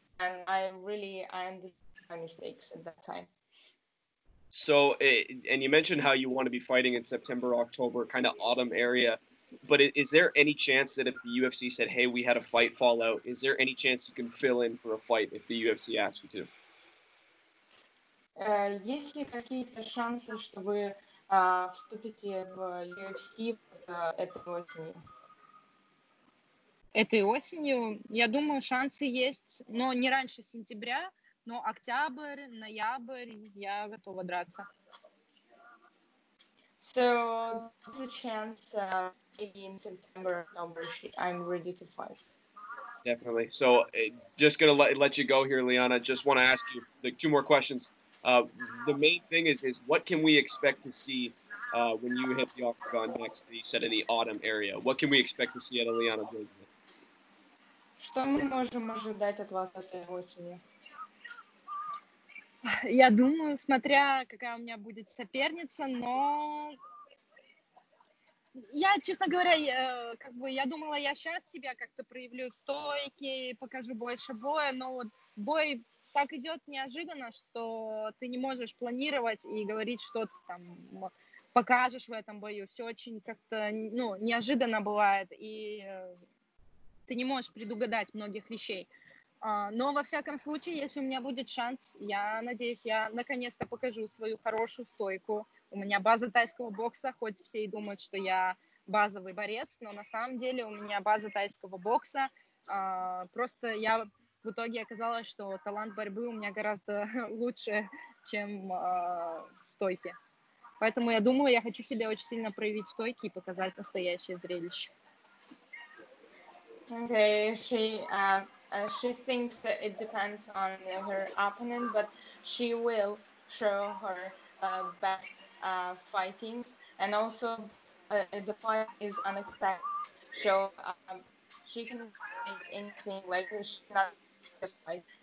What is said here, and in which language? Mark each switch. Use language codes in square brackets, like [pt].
[en] And I understand my mistakes at that time. So, and you mentioned how you want to be fighting in September, October, kind of autumn area. But is there any chance that if the UFC said, hey, we had a fight fallout, is there any chance you can fill in for a fight if the UFC asks you to? [ru] Есть ли какие-то шансы, что вы вступите в UFC этой осенью? Этой осенью? Я думаю, шансы есть, но не раньше сентября. Но октябрь, ноябрь, я готова драться. [en] So, there's a chance maybe in September, October, I'm ready to fight. Definitely. So, just going to let you go here, Liana. Just want to ask you two more questions. The main thing is what can we expect to see when you hit the octagon next, you said in the autumn area? What can we expect to see out of Liana? [ru] Что мы можем ожидать от вас этой осенью? Я думаю, смотря какая у меня будет соперница, но я, честно говоря, я думала, я сейчас себя как-то проявлю стойки, покажу больше боя, но вот бой так идет неожиданно, что ты не можешь планировать и говорить, что ты там покажешь в этом бою. Все очень как-то, неожиданно бывает, и ты не можешь предугадать многих вещей. Но, во всяком случае, если у меня будет шанс, я надеюсь, я наконец-то покажу свою хорошую стойку. У меня база тайского бокса, хоть все и думают, что я базовый борец, но на самом деле у меня база тайского бокса. Просто я в итоге оказалось, что талант борьбы у меня гораздо лучше, чем стойки. Поэтому я думаю, я хочу себя очень сильно проявить стойки и показать настоящее зрелище. [en] Okay, she thinks that it depends on her opponent, but she will show her best fightings. And also, the fight is unexpected. So she can fight anything, like she cannot fight.